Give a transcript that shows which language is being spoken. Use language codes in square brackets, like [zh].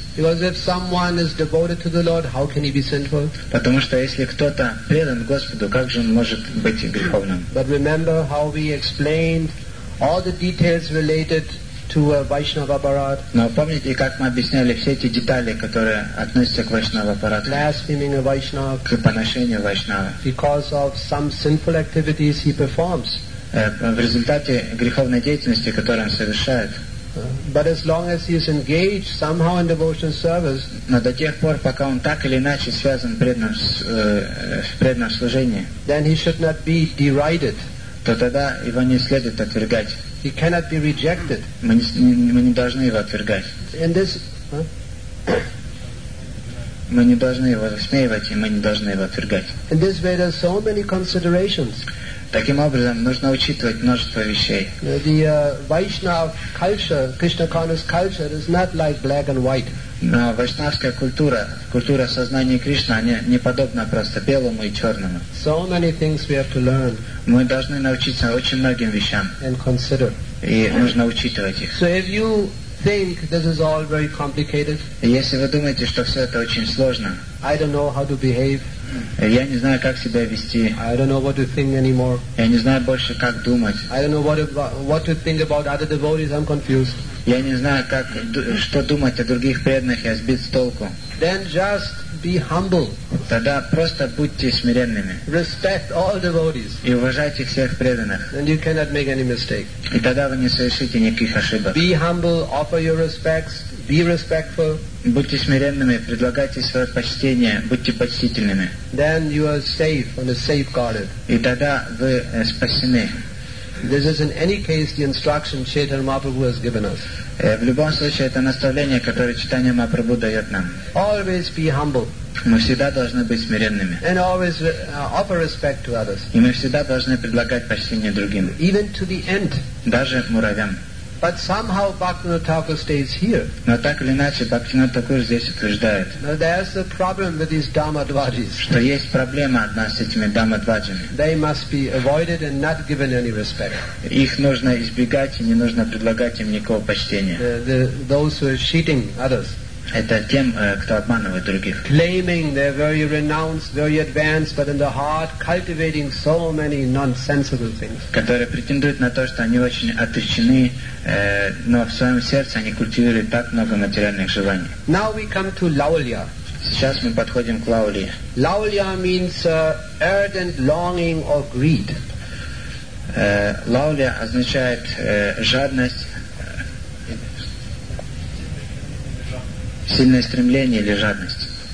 [en] Because if someone is devoted to the Lord, how can he be sinful? [ru] Потому что если кто-то предан Господу, как же он может быть греховным? [en] But remember how we explained all the details related to a Vaishnava aparad. [ru] Но помните, как мы объясняли все эти детали, которые относятся к Vaishnava aparad. [en] Blaspheming a Vaishnava. [ru] К поношению Vaishnava. [en] Because of some sinful activities he performs. [ru] В результате греховной деятельности, которую он совершает. [en] But as long as he is engaged somehow in devotional service, [ru] но до тех пор, пока он так или иначе связан в преданном служении, [en] then he should not be derided. [ru] То тогда его не следует отвергать. [en] He cannot be rejected. [ru] Мы не должны его отвергать. [en] And this, [ru] Мы не должны его высмеивать, и мы не должны его отвергать. [en] In this way, there are so many considerations. [ru] Таким образом, нужно учитывать множество вещей. [en] The Vaishnav culture, Krishna consciousness culture, is not like black and white. [ru] Но вайшнавская культура, культура сознания Кришны, она не подобна просто белому и черному. [en] So many things we have to learn. [ru] Мы должны научиться очень многим вещам. [en] And consider. [ru] И нужно учитывать их. [en] So if you think this is all very complicated, [ru] если вы думаете, что все это очень сложно, [en] I don't know how to behave. [ru] Я не знаю, как себя вести. [en] I don't know what to think anymore. [ru] Я не знаю больше, как думать. [en] I don't know what to think about other devotees. I'm confused. [ru] Я не знаю, как что думать о других преданных. Я сбит с толку. [en] Then just be humble. [ru] Тогда просто будьте смиренными. [en] Respect all devotees. [ru] И уважайте всех преданных. [en] And you cannot make any mistake. [ru] И тогда вы не совершите никаких ошибок. [en] Be humble. Offer your respects. Be respectful. [ru] Будьте смиренными, предлагайте свое почтение, будьте почтительными. [en] Then you are safe and safeguarded. [ru] И тогда вы спасены. [en] This is in any case the instruction Chaitanya Mahaprabhu has given us. [ru] В любом случае это наставление, которое Чайтанья Махапрабху дает нам. [en] Always be humble. [ru] Мы всегда должны быть смиренными. [en] And always offer respect to others. [ru] И мы всегда должны предлагать почтение другим. [en] Even to the ant. [ru] Даже муравьям. [en] But somehow Bhaktivinoda Thakur stays here. [ru] Но так или иначе Бхактивинода Тхакур здесь утверждает. [en] Now there's a problem with these dhammadvajis. [ru] Что есть проблема одна с этими дхаммадваджами. [en] They must be avoided and not given any respect. [ru] Их нужно избегать и не нужно предлагать им никакого почтения. [en] Those who are cheating others. [ru] Это тем, кто обманывает других. [en] Claiming they're very renounced, very advanced, but in the heart cultivating so many nonsensical things. [ru] Которые претендуют на то, что они очень отречены, но в своем сердце они культивируют так много материальных желаний. [en] Now we come to Laulya. [ru] Сейчас мы подходим к Лаулье. [en] Laulya means ardent longing or greed. [ru] Лаулья означает жадность. Сильное стремление или жадность.